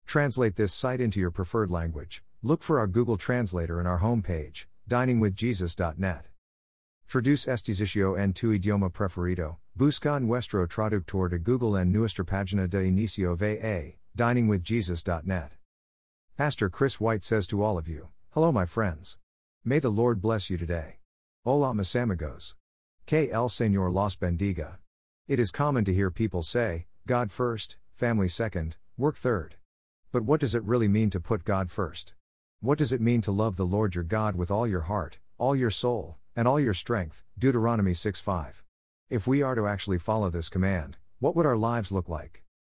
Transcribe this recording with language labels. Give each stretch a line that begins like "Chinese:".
English: Translate this site into your preferred language. Look for our Google Translator in our homepage, diningwithjesus.net.
Spanish: Traduce este sitio en tu idioma preferido. Busca nuestro traductor de Google en nuestra página de inicio VA, diningwithjesus.net.
English: Pastor Chris White says to all of you, hello my friends. May the Lord bless you today.
Spanish: Hola mis amigos. Que el Señor los bendiga.
English: It is common to hear people say, God first, family second, work third. But what does it really mean to put God first? What does it mean to love the Lord your God with all your heart, all your soul, and all your strength, Deuteronomy 6:5? If we are to actually follow this command, what would our lives look like?